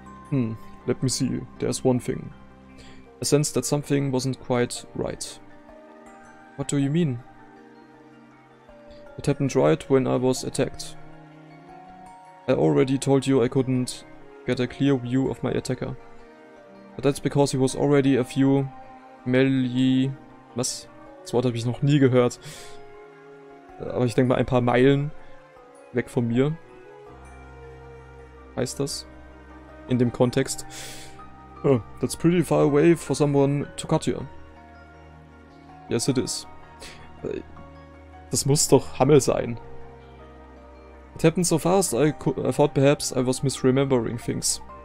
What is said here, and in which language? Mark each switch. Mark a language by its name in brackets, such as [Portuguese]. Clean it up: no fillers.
[English] Let me see. There's one thing. A sense that something wasn't quite right. What do you mean? It happened right when I was attacked. I already told you I couldn't get a clear view of my attacker. But that's because he was already a few Meli... [German] Was? Das Wort habe ich noch nie gehört. Aber ich denke mal ein paar Meilen weg von mir. Heißt das? In dem Kontext. [English] Oh, that's pretty far away for someone to cut you. Yes, it is. [German] Das muss doch Hammel sein. [English] It happened so fast, I thought perhaps I was misremembering things.